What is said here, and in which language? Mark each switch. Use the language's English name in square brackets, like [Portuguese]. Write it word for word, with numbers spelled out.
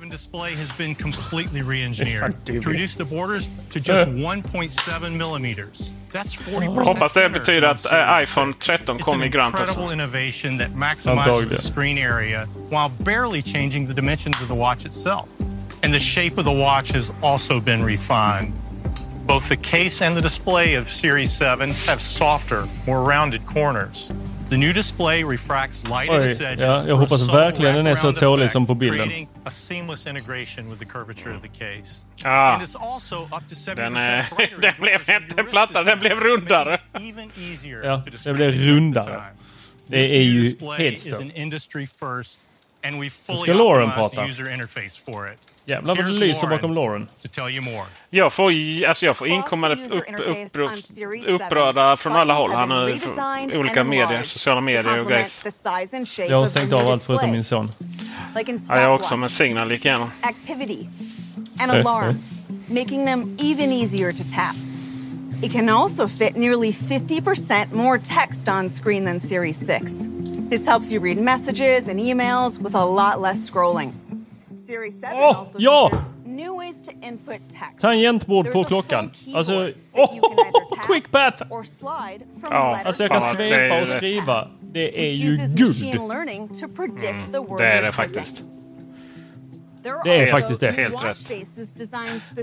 [English] Display has been completely re-engineered to reduce the borders to just one point seven millimeters. [Swedish] Hoppas det betyder att uh, iPhone tretton kom i grönt också. [English] Incredible innovation that maximizes the screen area while barely changing the dimensions of the watch itself. And the shape of the watch has also been refined. Both the case and the display of Series seven have softer, more rounded corners. The new display refracts light in its edges. [Swedish] Ja, jag hoppas verkligen den är så tålig som på bilden. [English] A seamless integration with the curvature of the case. Ah. And it's also up to seventy percent [Swedish] den, är, den blev inte plattare, den blev rundare. Ja, den blev rundare. Det är ju helt stort. Nu ska Lauren prata. Jävlar vad det lyser bakom Lauren. Jag får, alltså jag får inkommande upp, upp, upprörda från alla håll. Han har olika medier, sociala medier och grejs. Jag har stängt av allt förutom min son. Ja, jag också, men Signal gick igenom. [English] Activity and alarms, making them even easier to tap. It can also fit nearly fifty percent more text on screen than Series six. This helps you read messages and emails with a lot less scrolling. Series seven oh, also [Swedish] ja. [English] features new ways to input text. [Swedish] Tangentbord på klockan. Alltså, oh, quick path. Ja, alltså jag kan svepa och skriva. Det är ju guld. Mm, det är det faktiskt. Det är faktiskt det. Helt rätt.